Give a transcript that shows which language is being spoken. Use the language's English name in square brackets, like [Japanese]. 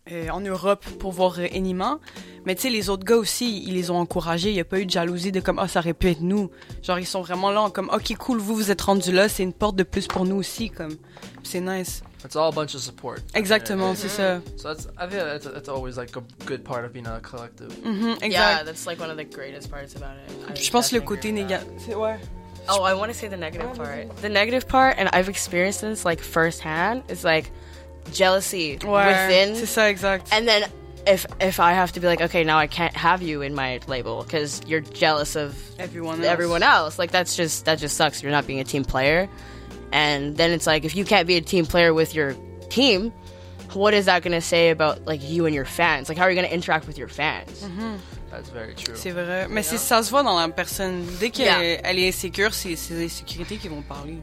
[French] En Europe pour voir Enima. Mais tu sais, les autres gars aussi, ils les ont encouragés. Il n'y a pas eu de jalousie de comme, ça aurait pu être nous. Genre, ils sont vraiment là, comme, ok, cool, vous êtes rendus là, c'est une porte de plus pour nous aussi. Comme, c'est nice. [English] It's all a bunch of support. [French] Exactement, right? C'est ça. [English] So that's, I feel that's always like a good part of being a collective. Mm-hmm, exactly. Yeah, that's like one of the greatest parts about it. [French] Je pense le côté négatif. [English] Oh, I want to say the negative part. The negative part, and I've experienced this like firsthand, is like, jealousy within. [French] C'est ça, exact. [English] And then if I have to be like, okay, now I can't have you in my label because you're jealous of everyone else. Like, that just sucks. You're not being a team player. And then it's like, if you can't be a team player with your team, what is that going to say about, like, you and your fans? Like, how are you going to interact with your fans? Mm-hmm. That's very true. [French] C'est vrai. Mais c'est, ça se voit dans la personne. Dès qu'elle est insécure, c'est les sécurités qui vont parler.